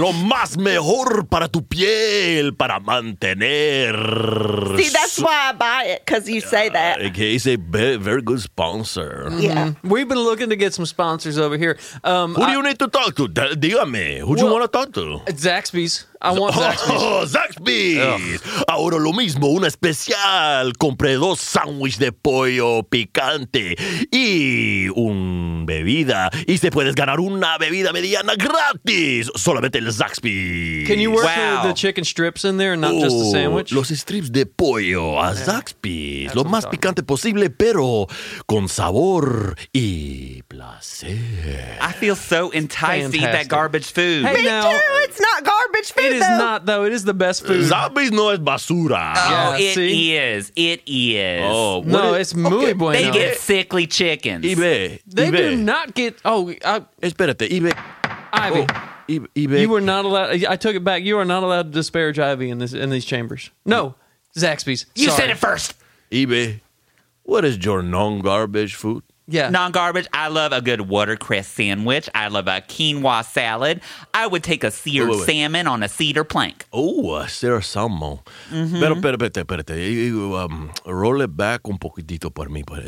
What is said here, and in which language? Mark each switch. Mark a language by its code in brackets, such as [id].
[es] Lo más mejor para tu piel, para mantener. [en] See, that's why I buy it, because you say that. Okay, he's a very good sponsor. Yeah. Mm-hmm. We've been looking to get some sponsors over here. Who do you need to talk to? [es] Dígame. [en] Who do you want to talk to? Zaxby's. I want Zaxby's. [es] Zaxby's. Ugh. Ahora lo mismo. Una especial. Compré dos sándwiches de pollo picante y un bebida. Y se puedes ganar una bebida mediana gratis. Solamente el Zaxby's. [en] Can you work the chicken strips in there and not just the sandwich? [es] Los strips de pollo a Zaxby's. [en] That's [es] lo más picante posible, pero con sabor y placer. [en] I feel so enticing. Fantastic. That garbage food. Hey, me too. It's not garbage food. It is not, though. It is the best food. [es] Zombies no es basura. [en] It is. Oh, no, it's [es] muy bueno. [en] They get sickly chickens. Ibe. Do not get... [es] Espérate, Ibe. [en] Ivy. Oh, Ibe. You were not allowed... I took it back. You are not allowed to disparage Ivy in these chambers. No, Zaxby's. You said it first. Ibe, what is your non-garbage food? Yeah. Non-garbage. I love a good watercress sandwich. I love a quinoa salad. I would take a seared salmon on a cedar plank. Oh, a seared salmon. Mm-hmm. [es] Pero, [en] roll it back [es] un poquitito para mí.